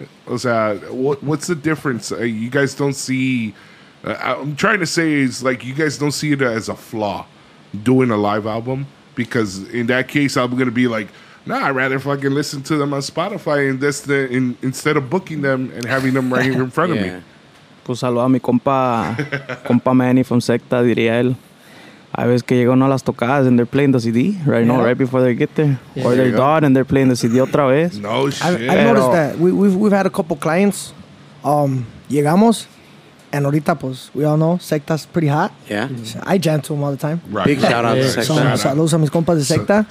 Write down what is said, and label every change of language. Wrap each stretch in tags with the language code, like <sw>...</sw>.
<es>O sea,</es> <en>what's the difference? You guys don't see. I'm trying to say is like you guys don't see it as a flaw doing a live album, because in that case I'm gonna be like, no, I'd rather fucking listen to them on Spotify and instead of booking them and having them right here in front of me.</en> <es>Pues saludo a mi compa Manny from Secta, diría él. A veces que llega uno a las tocadas</es> <en>and they're playing the CD right before they get there. Yeah. Or they're done and they're playing the CD</en> <es>otra vez.</es> <en>No shit. I've noticed that. We've had a couple clients.</en> <es>Llegamos.</es> <en>And</en> <es>ahorita, pues,</es> <en>we all know Secta's pretty hot. Yeah. Mm-hmm. I jam to him all the time. Right. Big shout out to Secta.</en> <es>Saludos a mis compas de Secta.</es>